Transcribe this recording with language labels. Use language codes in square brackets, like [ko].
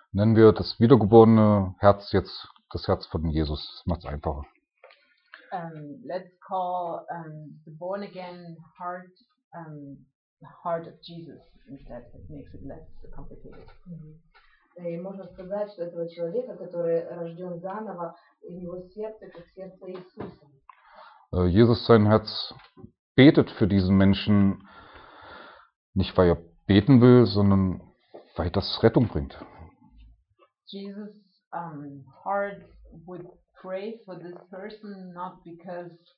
[de] Nennen wir das wiedergeborene Herz jetzt das Herz von Jesus. Macht's einfacher. [en] Let's call the born again heart the heart of Jesus instead. It makes it less complicated. Mm-hmm. [ru] И можно сказать, что этого человека, который рожден заново, у него сердце как сердце Иисуса. [de] Jesus, sein Herz betet für diesen Menschen, nicht weil er beten will, sondern weil das Rettung bringt. [en] Jesus, heart would pray for this person, not because